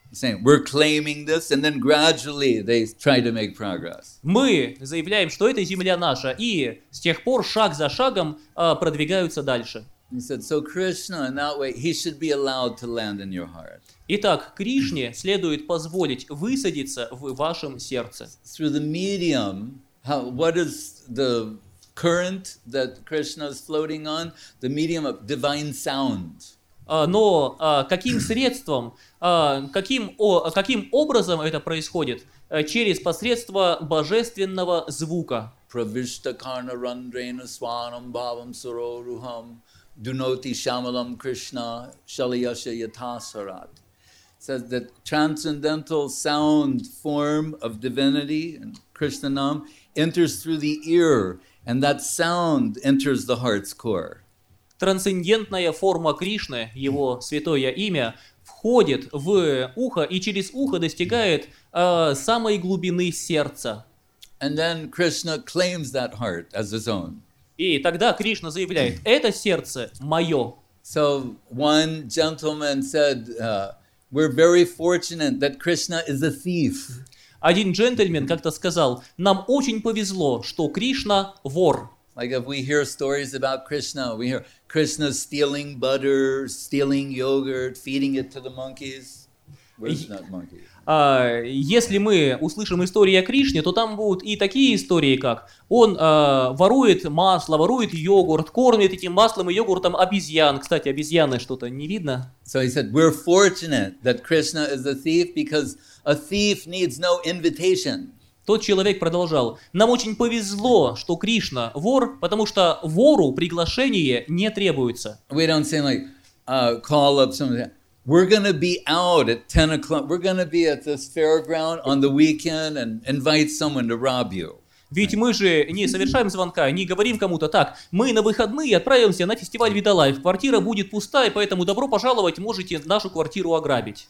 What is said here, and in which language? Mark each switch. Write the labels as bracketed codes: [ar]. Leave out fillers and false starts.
[en] We're claiming this, and then gradually they try to make progress. [ru] Мы заявляем, что эта земля наша, и с тех пор шаг за шагом продвигаются дальше. [en] He said, so Krishna, in that way, he should be allowed to land in your heart. [ru] Итак, Кришне следует позволить высадиться в вашем сердце. [en] Through the medium, what is the current that Krishna is floating on, the medium of divine sound. [ru] Но каким средством, каким образом это происходит? Через посредство божественного звука. [sa] Pravishtakarna randrena swanam bhavam suroruham dunoti shamalam krishna shalyasya yathasarat. [en] It says that transcendental sound form of divinity, Krishna nam, enters through the ear. And that sound enters the heart's core. [ru] Трансцендентная форма Кришны, его святое имя, входит в ухо и через ухо достигает самой глубины сердца. [en] And then Krishna claims that heart as his own. [ru] И тогда Кришна заявляет: «Это сердце мое». [en] So one gentleman said, "We're very fortunate that Krishna is a thief." [ru] Один джентльмен как-то сказал, нам очень повезло, что Кришна – вор. [en] Like if we hear stories about Krishna, we hear Krishna stealing butter, stealing yogurt, feeding it to the monkeys. Where's that monkey? [ru] Если мы услышим истории о Кришне, то там будут и такие истории, как он ворует масло, ворует йогурт, кормит этим маслом и йогуртом обезьян. Кстати, обезьяны что-то не видно. [en] So he said, we're fortunate that Krishna is a thief because a thief needs no invitation. [ru] Тот человек продолжал, нам очень повезло, что Кришна вор, потому что вору приглашение не требуется. [en] We don't say like, call up somebody. We're going to be out at 10 o'clock. We're going to be at this fairground on the weekend and invite someone to rob you. [ru] Ведь мы же не совершаем звонка, не говорим кому-то так. Мы на выходные отправимся на фестиваль Видалайф. Квартира будет пустая, поэтому добро пожаловать, можете нашу квартиру ограбить.